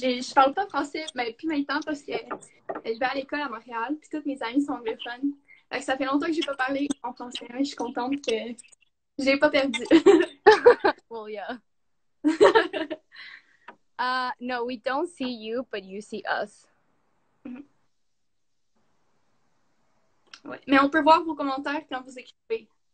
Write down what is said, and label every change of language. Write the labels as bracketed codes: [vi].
[fr] Je parle pas français, mais puis maintenant parce que je vais à l'école à Montréal, puis toutes mes amies sont anglophones. Fait que ça fait longtemps que j'ai pas parlé en français, mais je suis contente que j'ai pas perdu. [en] Well, yeah. No, we don't see you, but you see us. [fr] Ouais. Mais on peut voir vos commentaires quand vous écrivez.